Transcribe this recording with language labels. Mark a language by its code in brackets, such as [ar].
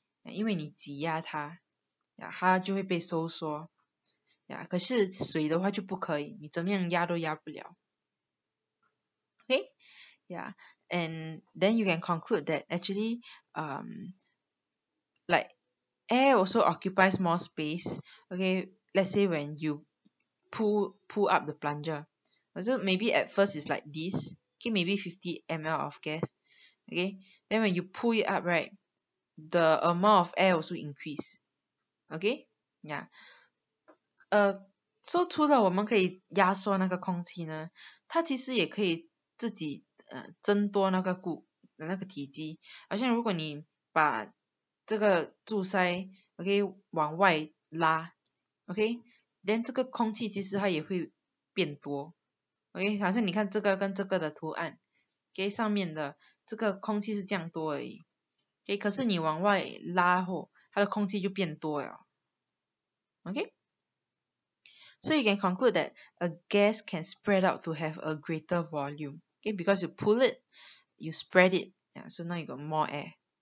[zh] 因为你挤压它, 它就会被收缩, 可是水的话就不可以, 你怎么样压都压不了, OK? [en] Yeah, and then you can conclude that actually, like, air also occupies more space, OK? Let's say when you pull up the plunger, so maybe at first it's like this, okay, maybe 50 ml of gas, okay? Then when you pull it up, right, the amount of air also increase, okay? Yeah. [zh] So 除了我们可以压缩那个空气呢, 它其实也可以自己, 增多那个体积, 好像如果你把这个注塞, okay, 往外拉, okay? Then 这个空气其实它也会变多, OK, 好像你看这个跟这个的图案, OK, 上面的这个空气是这样多而已, OK, 可是你往外拉后, 它的空气就变多了, OK? [en] So you can conclude that a gas can spread out to have a greater volume, OK, because you pull it, you spread it, yeah, so now you got more air.